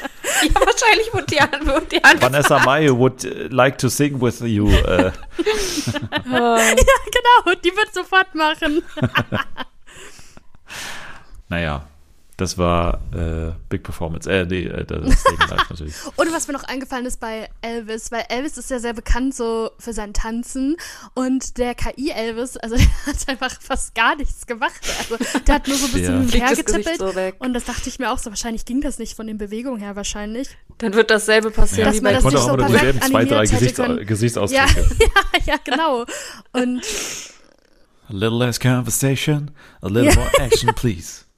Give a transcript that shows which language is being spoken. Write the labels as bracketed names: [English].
[German] Ja, wahrscheinlich wird die Antwort. [English] Vanessa May would like to sing with you. [German] Ja, genau, die wird sofort machen. Naja, das war Big Performance. Das ist natürlich. Und was mir noch eingefallen ist bei Elvis, weil Elvis ist ja sehr bekannt so für sein Tanzen und der KI-Elvis, also der hat einfach fast gar nichts gemacht. Also der hat nur so ein bisschen hergetippelt. So und das dachte ich mir auch so, wahrscheinlich ging das nicht von den Bewegungen her wahrscheinlich. Dann wird dasselbe passieren. Dass wie man das konnte nicht auch so nur dieselben zwei, drei Gesichtsausdrücke. Ja, genau. Und [English] a little less conversation, a little more action, please.